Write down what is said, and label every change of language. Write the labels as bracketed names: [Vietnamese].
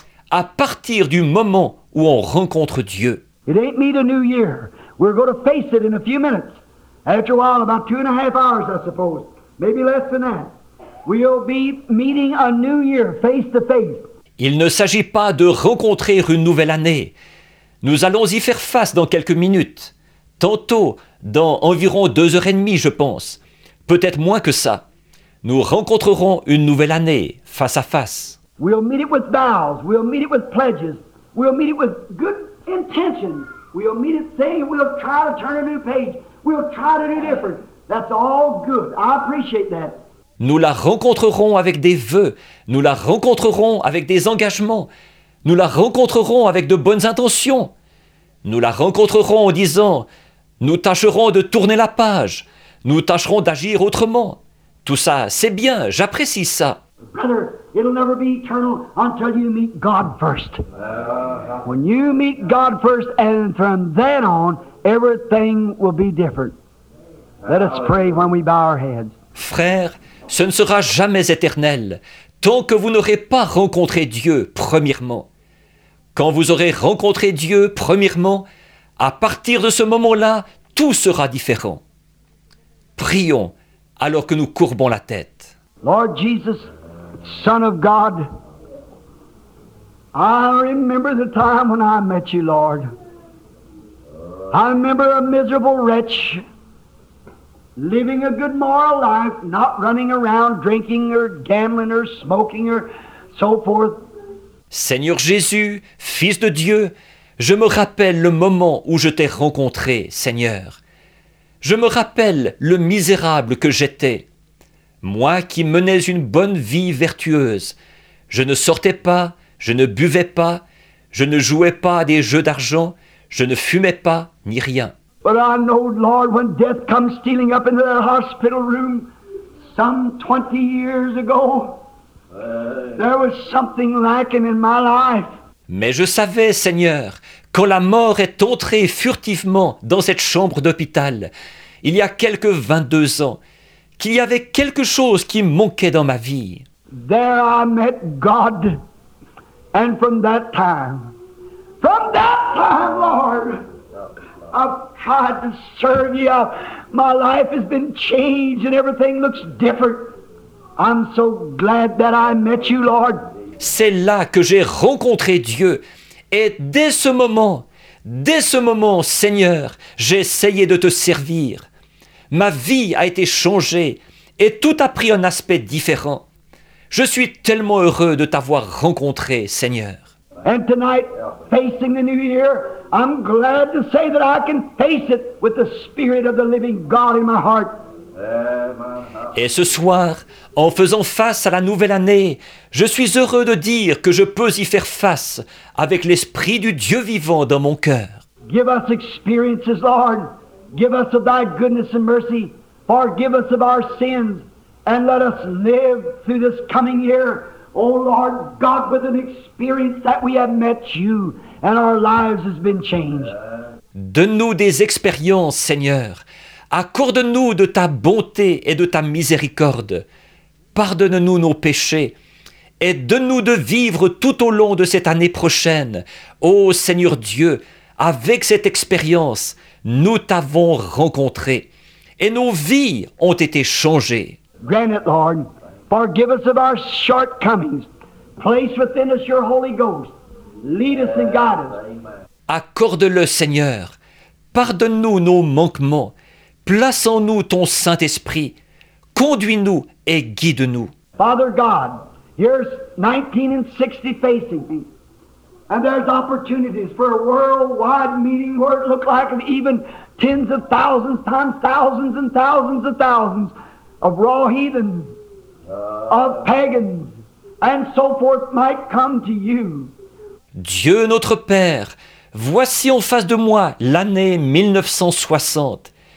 [French] À partir du moment où on rencontre Dieu. [English] It ain't meet a new year. We're going to face it in a few minutes. After a while, about 2.5 hours, I suppose. Maybe less than that. We'll be meeting a new year face to face. [French] Il ne s'agit pas de rencontrer une nouvelle année. Nous allons y faire face dans quelques minutes. Tantôt, dans environ 2h30, je pense. Peut-être moins que ça. Nous rencontrerons une nouvelle année face à face. [English] We'll meet it with vows. We'll meet it with pledges. We'll meet it with good intention. We'll meet it saying we'll try to turn a new page. We'll try to do different. That's all good. I appreciate that. [French] Nous la rencontrerons avec des vœux. Nous la rencontrerons avec des engagements. Nous la rencontrerons avec de bonnes intentions. Nous la rencontrerons en disant, nous tâcherons de tourner la page. Nous tâcherons d'agir autrement. Tout ça, c'est bien. J'apprécie ça. [English] Brother, it'll never be eternal until you meet God first. When you meet God first, and from then on, everything will be different. Let us pray when we bow our heads. [French] Frère, ce ne sera jamais éternel tant que vous n'aurez pas rencontré Dieu premièrement. Quand vous aurez rencontré Dieu premièrement, à partir de ce moment-là, tout sera différent. Prions alors que nous courbons la tête. [English] Lord Jesus, Son of God, I remember the time when I met you, Lord. I remember a miserable wretch living a good moral life, not running around drinking or gambling or smoking or so forth. [French] Seigneur Jésus, Fils de Dieu, je me rappelle le moment où je t'ai rencontré, Seigneur. Je me rappelle le misérable que j'étais. Moi qui menais une bonne vie vertueuse, je ne sortais pas, je ne buvais pas, je ne jouais pas à des jeux d'argent, je ne fumais pas, ni rien. [English] But I know, Lord, when death comes stealing up into that hospital room some 20 years ago, there was something lacking in my life. [French] Mais je savais, Seigneur, quand la mort est entrée furtivement dans cette chambre d'hôpital, il y a quelque 22 ans, qu'il y avait quelque chose qui manquait dans ma vie. [English] There I met God, and from that time, Lord, I've tried to serve you. My life has been changed, and everything looks different. I'm so glad that I met you, Lord. [French] C'est là que j'ai rencontré Dieu, et dès ce moment, Seigneur, j'ai essayé de te servir. Ma vie a été changée et tout a pris un aspect différent. Je suis tellement heureux de t'avoir rencontré, Seigneur. [English] And tonight, facing the new year, I'm glad to say that I can face it with the Spirit of the living God in my heart. [French] Et ce soir, en faisant face à la nouvelle année, je suis heureux de dire que je peux y faire face avec l'Esprit du Dieu vivant dans mon cœur. [English] Give us experiences, Lord. Give us of thy goodness and mercy. Forgive us of our sins. And let us live through this coming year, O Lord God, with an experience that we have met you and our lives has been changed. [French] Donne-nous des expériences, Seigneur. Accorde-nous de ta bonté et de ta miséricorde. Pardonne-nous nos péchés. Et donne-nous de vivre tout au long de cette année prochaine. Ô Seigneur Dieu, avec cette expérience, nous t'avons rencontré. Et nos vies ont été changées. [English] Grant it, Lord. Forgive us of our shortcomings. Place within us your Holy Ghost. Lead us and guide us. [French] Accorde-le, Seigneur. Pardonne-nous nos manquements. Place en nous ton Saint-Esprit. Conduis-nous et guide-nous. [English] Father God, here's 1960 facing me. And there's opportunities for a worldwide meeting where it looked like of even tens of thousands times thousands and thousands of thousands of raw heathens, of pagans, and so forth might come to you. [French] Dieu notre Père, voici en face de moi l'année 1960.